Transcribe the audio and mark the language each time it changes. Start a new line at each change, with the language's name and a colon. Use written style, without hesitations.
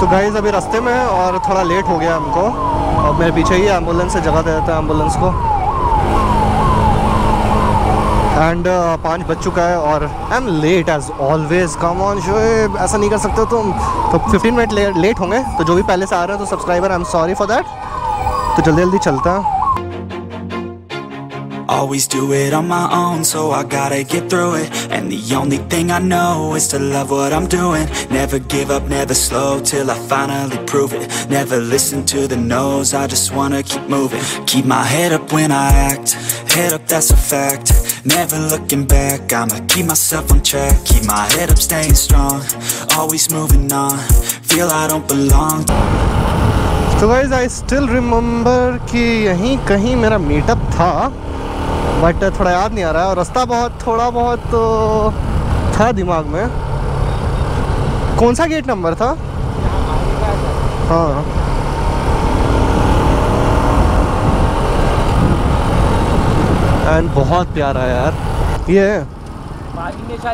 Hindi: तो गाइस, अभी रास्ते में और थोड़ा लेट हो गया हमको, और मेरे पीछे ही एम्बुलेंस से जगह दे देता है एम्बुलेंस को.
English: and
Hindi: 5 बज चुका है और
English: I am late as always. Come on Shoaib,
Hindi: ऐसा नहीं कर सकते तुम. तो 15 मिनट लेट होंगे, तो जो भी पहले से आ रहे हैं तो subscriber,
English: I am sorry for that.
Hindi: तो जल्दी जल्दी चलता हूँ.
English: Always do it on my own, so I gotta get through it. And the only thing I know is to love what I'm doing. Never give up, never slow, till I finally prove it. Never listen to the no's, I just wanna keep moving. Keep my head up when I act, head up, that's a fact. Never looking back, I'ma keep myself on track. Keep my head up, staying strong, always moving on. Feel I don't belong. So guys, I still remember
Hindi: ki yahin kahin mera meetup tha. But थोड़ा याद नहीं आ रहा है, और रास्ता बहुत थोड़ा बहुत तो था दिमाग में. कौन सा गेट नंबर था? हाँ, एंड बहुत प्यारा यार ये है.